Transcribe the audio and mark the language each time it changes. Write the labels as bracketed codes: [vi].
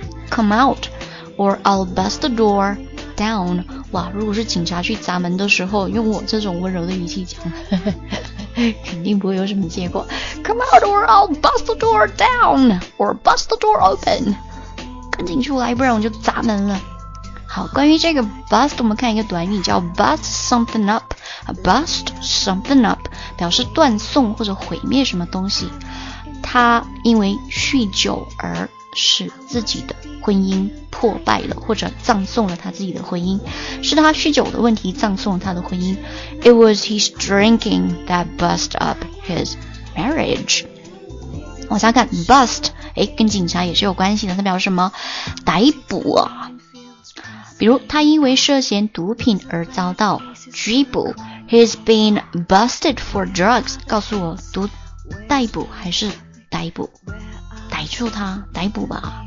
[en] Come out or I'll bust the door down. [zh] 哇，如果是警察去砸门的时候用我这种温柔的语气讲肯定不会有什么结果。 [en] Come out or I'll bust the door down or bust the door open. [zh] 赶紧出来不然我就砸门了。好，关于这个 bust 我们看一个短语叫 bust something upBust something up 表示断送或者毁灭什么东西，他因为酗酒而使自己的婚姻破败了，或者葬送了他自己的婚姻，是他酗酒的问题葬送了他的婚姻。 [en] It was his drinking that bust up his marriage。 [zh] 往下看 bust， 诶，跟警察也是有关系的，他表示什么？逮捕啊，比如他因为涉嫌毒品而遭到拘捕， [en] He's been busted for drugs， [zh] 告诉我逮捕还是逮捕？逮住他，逮捕吧。